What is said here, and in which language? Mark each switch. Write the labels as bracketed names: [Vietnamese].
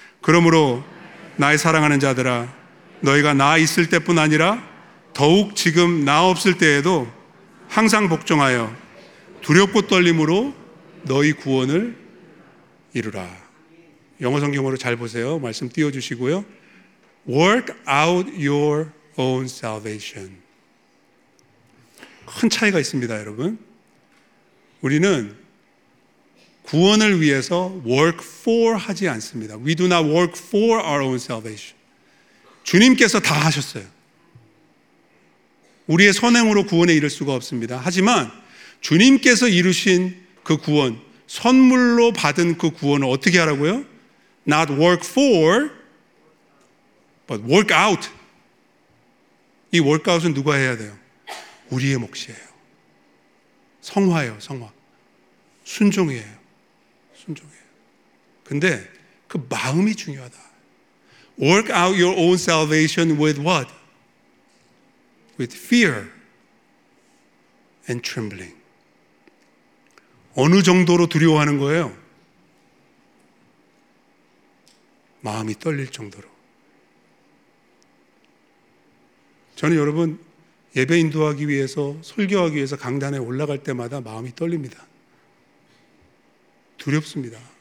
[Korean] 그러므로 나의 사랑하는 자들아, 너희가 나 있을 때뿐 아니라 더욱 지금 나 없을 때에도 항상 복종하여 두렵고 떨림으로 너희 구원을 이루라. 영어성경으로 잘 보세요. 말씀 띄워주시고요. [English] Work out your own salvation. [Korean] 큰 차이가 있습니다, 여러분. 우리는 구원을 위해서 work for 하지 않습니다. [English] We do not work for our own salvation. [Korean] 주님께서 다 하셨어요. 우리의 선행으로 구원에 이를 수가 없습니다. 하지만 주님께서 이루신 그 구원, 선물로 받은 그 구원을 어떻게 하라고요? [English] Not work for, but work out. [Korean] 이 work out은 누가 해야 돼요? 우리의 몫이에요. 성화예요, 성화. 순종이에요. 순종이에요. 근데 그 마음이 중요하다. [English] Work out your own salvation with what? With fear and trembling. [Korean] 어느 정도로 두려워하는 거예요? 마음이 떨릴 정도로. 저는 여러분 예배 인도하기 위해서 설교하기 위해서 강단에 올라갈 때마다 마음이 떨립니다. 두렵습니다.